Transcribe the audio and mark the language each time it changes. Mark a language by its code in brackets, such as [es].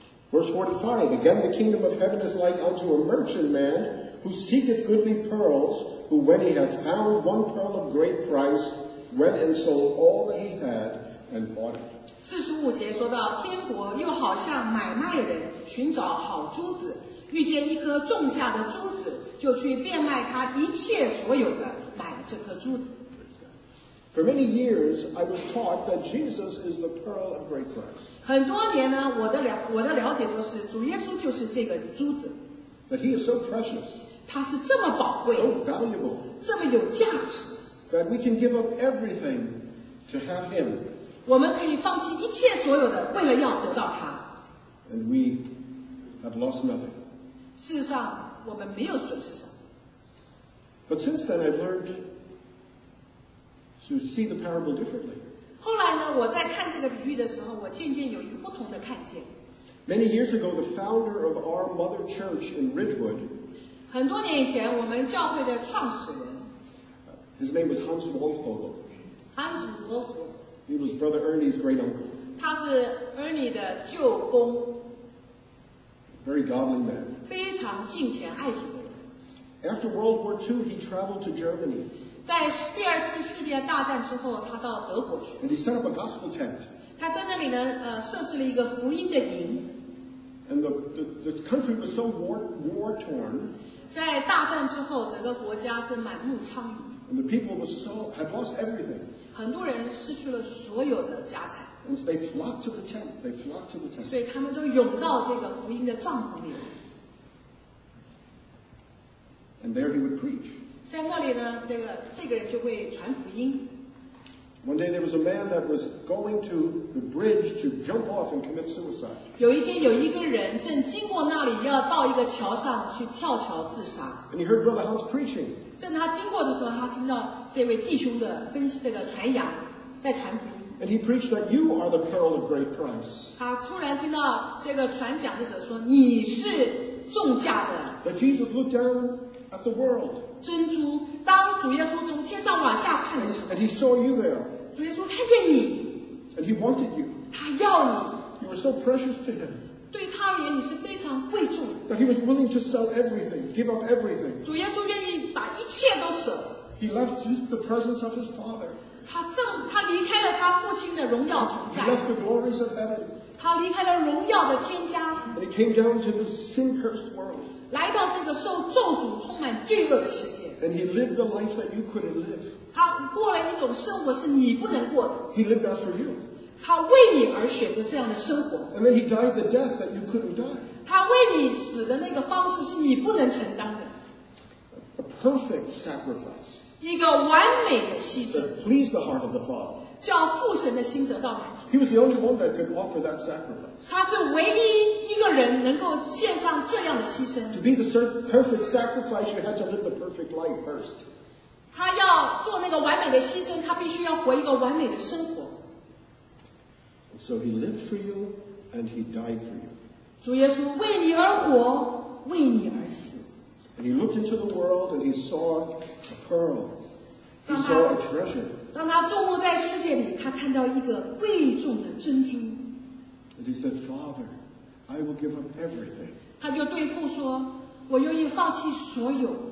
[en] Verse 45, again the kingdom of heaven is like unto a merchant man who seeketh goodly pearls, who when he hath found one pearl of great price, went and sold all that he had and bought it. [zh] 四十五节说到，天国又好像买卖人寻找好珠子，遇见一颗重价的珠子，就去变卖他一切所有的，买这颗珠子。 [en] For many years, I was taught that Jesus is the pearl of great price. [zh] 很多年呢，我的了解都是主耶稣就是这个珠子。 [en] That he is so precious. [zh] 他是这么宝贵。 [en] So valuable. [zh] 这么有价值。 [en] That we can give up everything to have him. [zh] 我们可以放弃一切所有的，为了要得到他。 [en] And we have lost nothing. [zh] 事实上，我们没有损失什么。 [en] But since then, I've learned. To see the parable differently. [zh] 后来呢，我在看这个比喻的时候，我渐渐有一个不同的看见。 [en] Many years ago, the founder of our mother church in Ridgewood. [zh] 很多年以前，我们教会的创始人。 [en] His name was Hans Wolfogel. Hans Wolfogel. He was Brother Ernie's great uncle. [zh] 他是 Ernie 的舅公。 [en] Very godly man. [zh] 非常敬虔爱主的人。 [en] After World War II, he traveled to Germany. [zh] 在第二次世界大战之后，他到德国去。 [en] And he set up a gospel tent. [zh] 他在那里呢，设置了一个福音的营。 [en] And the country was so war torn. [zh] 在大战之后，整个国家是满目疮痍。 [en] And the people were so had lost everything. [zh] 很多人失去了所有的家产。 [en] And so they flocked to the tent. They flocked to the tent. [zh] 所以他们都涌到这个福音的帐篷里。 [en] And there he would preach. [zh] 在那里呢，这个人就会传福音。 [en] One day there was a man that was going to the bridge to jump off and commit suicide. [zh] 有一天有一个人正经过那里，要到一个桥上去跳桥自杀。 [en] And he heard Brother Hans preaching. [zh] 正他经过的时候，他听到这位弟兄的分析这个传扬，在传福音。 [en] And he preached that you are the pearl of great price. [zh] 他突然听到这个传讲的者说，你是重价的。 [en] But Jesus looked down at the world. [zh] 珍珠，当主耶稣从天上往下看的时候 [en] and he saw you there. [zh] 主耶稣看见你 [en] and he wanted you. [zh] 他要你 [en] you were so precious to him. [zh] 对他而言你是非常贵重 [en] that he was willing to sell everything, give up everything. [zh] 主耶稣愿意把一切都舍 [en] he left his, the presence of his father. [zh] 他离开了他父亲的荣耀同在 [en] he left the glories of heaven. [zh] 他离开了荣耀的天家 [en] and he came down to this sin-cursed world. [zh] 来到这个受咒诅充满罪恶的世界 [en] and he lived the life that you couldn't live. [zh] 他过了一种生活是你不能过的 [en] he lived that for you. [zh] 他为你而选择这样的生活 [en] and then he died the death that you couldn't die. [zh] 他为你死的那个方式是你不能承担的 [en] a perfect sacrifice. [zh] 一个完美的牺牲。 [en] That pleased the heart of the Father. [zh] 叫父神的心得到满足。 [en] He was the only one that could offer that sacrifice. [zh] 他是唯一一个人能够献上这样的牺牲。 [en] To be the perfect sacrifice, you had to live the perfect life first. [zh] 他要做那个完美的牺牲，他必须要活一个完美的生活。 [en] So he lived for you and he died for you. [zh] 主耶稣为你而活，为你而死。 [en] And he looked into the world and he saw a pearl. He saw a treasure. [zh] 当他注目在世界里，他看到一个贵重的珍珠。 [en] And he said, Father, I will give up everything. [zh] 他就对父说，我愿意放弃所有。